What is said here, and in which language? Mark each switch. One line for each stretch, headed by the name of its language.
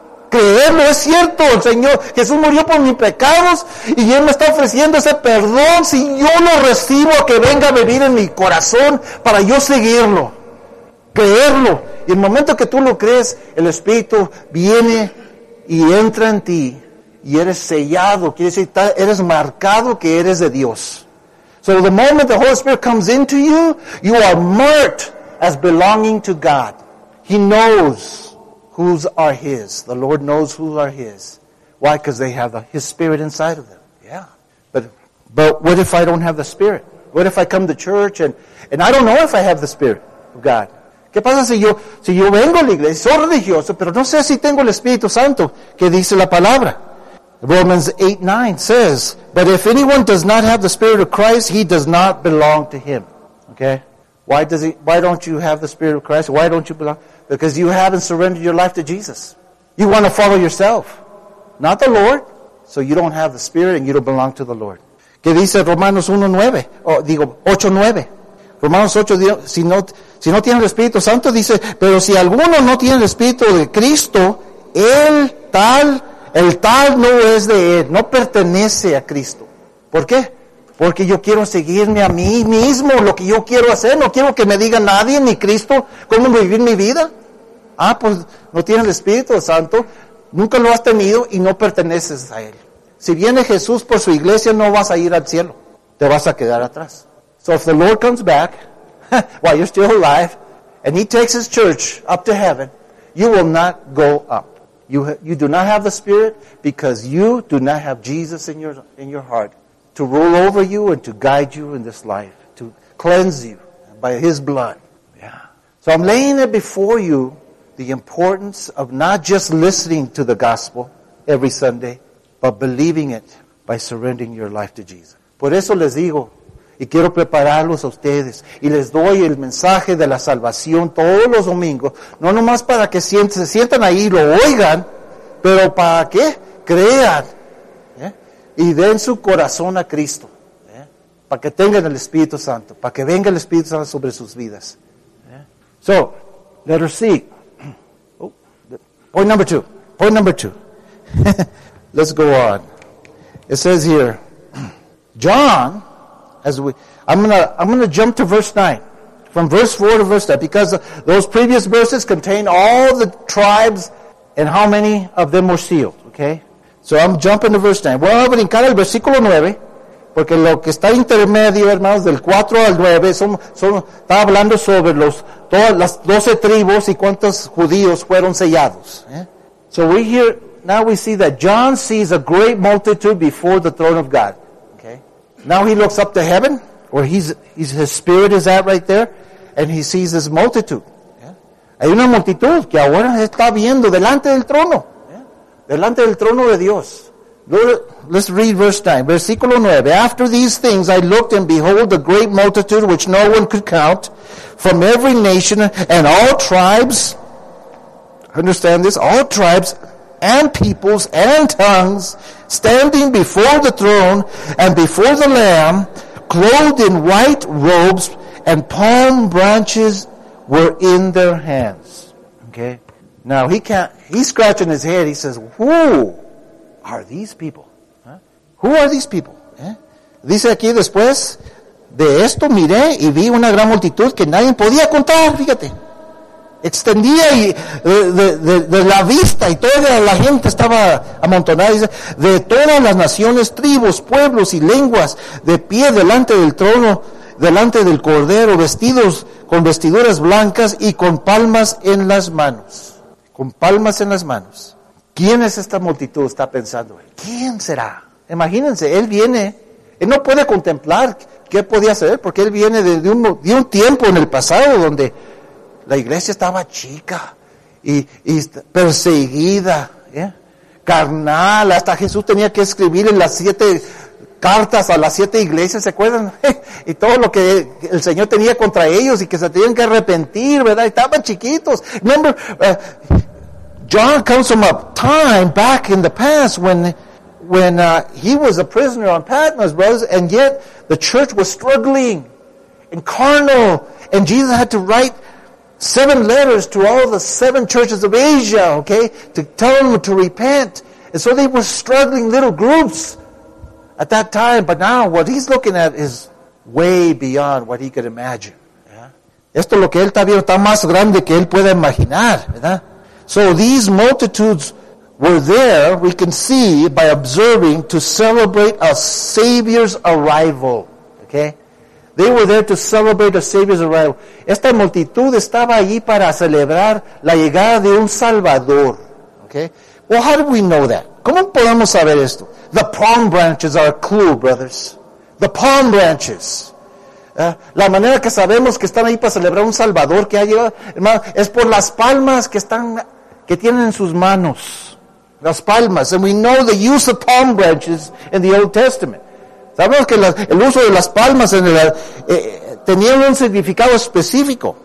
Spanish: Creerlo, es cierto, el Señor Jesús murió por mis pecados y Él me está ofreciendo ese perdón si yo lo recibo, a que venga a vivir en mi corazón para yo seguirlo, creerlo. Y el momento que tú lo crees, el Espíritu viene y entra en ti y eres sellado, quiere decir, eres marcado que eres de Dios.
English: So the moment the Holy Spirit comes into you, you are marked as belonging to God. He knows whose are His. The Lord knows who are His. Why? Because they have His Spirit inside of them. Yeah. But what if I don't have the Spirit? What if I come to church and I don't know if I have the Spirit of God?
Spanish: ¿Qué pasa si yo vengo a la iglesia, soy religioso, pero no sé si tengo el Espíritu Santo, que dice la palabra?
English: Romans 8:9 says, but if anyone does not have the Spirit of Christ, he does not belong to Him. Okay? Why don't you have the Spirit of Christ? Why don't you belong? Because you haven't surrendered your life to Jesus. You want to follow yourself, not the Lord. So you don't have the Spirit and you don't belong to the Lord.
Spanish: ¿Qué dice Romanos 1:9? O digo, 8:9. Romanos 8, si no tiene el Espíritu Santo, dice, pero si alguno no tiene el Espíritu de Cristo, el tal no es de él, no pertenece a Cristo. ¿Por qué? Porque yo quiero seguirme a mí mismo, lo que yo quiero hacer. No quiero que me diga nadie, ni Cristo, cómo vivir mi vida. Ah, pues no tienes el Espíritu Santo, nunca lo has tenido y no perteneces a Él. Si viene Jesús por su iglesia, no vas a ir al cielo. Te vas a quedar atrás.
English: So if the Lord comes back, while you're still alive, and He takes His church up to heaven, you will not go up. You do not have the Spirit because you do not have Jesus in your heart to rule over you and to guide you in this life, to cleanse you by His blood. Yeah. So I'm laying it before you, the importance of not just listening to the gospel every Sunday, but believing it by surrendering your life to Jesus.
Spanish: Por eso les digo, y quiero prepararlos a ustedes, y les doy el mensaje de la salvación todos los domingos, no nomás para que se sientan ahí y lo oigan, pero para que crean. Y den su corazón a Cristo, para que tengan el Espíritu Santo, para que venga el Espíritu Santo sobre sus vidas.
English: Yeah. So, let us see. Point number two. Let's go on. It says here, John, I'm gonna jump to verse 9, from verse 4 to verse 9, because those previous verses contain all the tribes and how many of them were sealed. Okay. So I'm jumping to verse 9.
Spanish: Voy a brincar al versículo 9, porque lo que está intermedio, hermanos, del 4 al 9, está hablando sobre todas las 12 tribus y cuántos judíos fueron sellados.
English: So we hear, now we see that John sees a great multitude before the throne of God. Okay. Now he looks up to heaven, where his spirit is at right there, and he sees this multitude.
Spanish: Hay una multitud que ahora está viendo delante del trono. Delante del trono de Dios.
English: Let's read verse 9.
Spanish: Versículo 9.
English: After these things I looked and behold a great multitude which no one could count from every nation and all tribes. Understand this. All tribes and peoples and tongues standing before the throne and before the Lamb, clothed in white robes, and palm branches were in their hands. Okay? Now, he's scratching his head. He says, who are these people? Who are these people?
Spanish: Dice aquí después, de esto miré y vi una gran multitud que nadie podía contar, fíjate. Extendía y de la vista y toda la gente estaba amontonada. Dice, de todas las naciones, tribus, pueblos y lenguas, de pie delante del trono, delante del Cordero, vestidos con vestiduras blancas y con palmas en las manos. Con palmas en las manos. ¿Quién es esta multitud? Está pensando él. ¿Quién será? Imagínense, él viene. Él no puede contemplar qué podía ser, porque él viene de un tiempo en el pasado donde la iglesia estaba chica y perseguida, carnal. Hasta Jesús tenía que escribir en las 7 cartas a las 7 iglesias, ¿se acuerdan? Y todo lo que el Señor tenía contra ellos y que se tenían que arrepentir, ¿verdad? Estaban chiquitos.
English: Remember, John comes from a time back in the past when he was a prisoner on Patmos, brothers, and yet the church was struggling and carnal, and Jesus had to write 7 letters to all the 7 churches of Asia, okay, to tell them to repent. And so they were struggling little groups at that time, but now what he's looking at is way beyond what he could imagine. Yeah?
Spanish: Esto lo que él está viendo está más grande que él pueda imaginar, ¿verdad?
English: So these multitudes were there, we can see, by observing, to celebrate a Savior's arrival. Okay? They were there to celebrate a Savior's arrival.
Spanish: Esta multitud estaba allí para celebrar la llegada de un Salvador.
English: Okay? Well, how do we know that?
Spanish: ¿Cómo podemos saber esto?
English: The palm branches are a clue, brothers. The palm branches.
Spanish: La manera que sabemos que están ahí para celebrar un Salvador que ha llegado, hermano, es por las palmas que tienen en sus manos. Las palmas,
English: and we know the use of palm branches in the Old Testament.
Spanish: Sabemos que el uso de las palmas tenía un significado específico.